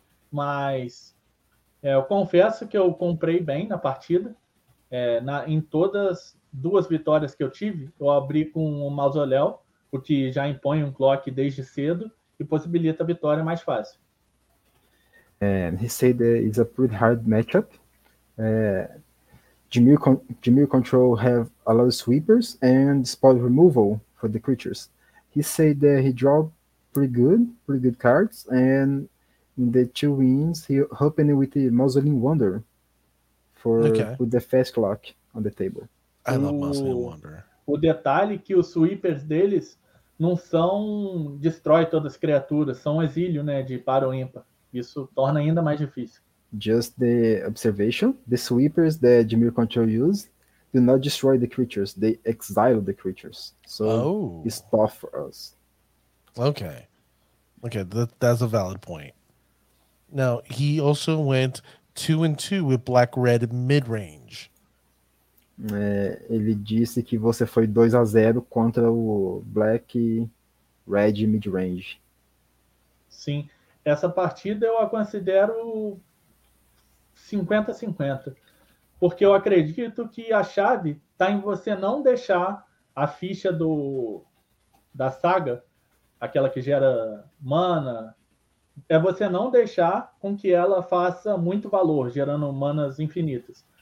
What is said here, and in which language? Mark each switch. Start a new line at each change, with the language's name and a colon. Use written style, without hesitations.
Portuguese: Mas eu confesso que eu comprei bem na partida. Em todas duas vitórias que eu tive, eu abri com o Mausoléu, o que já impõe um clock desde cedo e possibilita a vitória mais fácil.
English: And he said it's a pretty hard matchup. Dimir Control have a lot of sweepers and spot removal for the creatures. He said that he draw pretty good cards, and in the two wins, he opened with the Mausoleum Wonder for Okay. with the fast clock on the table. I love Mausoleum Wonder.
Portuguese: O detalhe é que os sweepers deles não são destrói todas as criaturas, são exílio, né, de par ou ímpar. Isso torna ainda mais difícil.
English: Just the observation, the sweepers that Dimir Control use do not destroy the creatures, they exile the creatures. So it's Oh. tough for us. Okay. Okay, that's a valid point. Now, he also went 2-2 with Black Red mid-range.
Portuguese: É, ele disse que você foi 2-0 contra o Black Red mid-range. Sim, essa partida eu a considero 50-50. Porque eu acredito que a chave está em você não deixar a ficha da saga, aquela que gera mana, é você não deixar com que ela faça muito valor, gerando manas infinitas.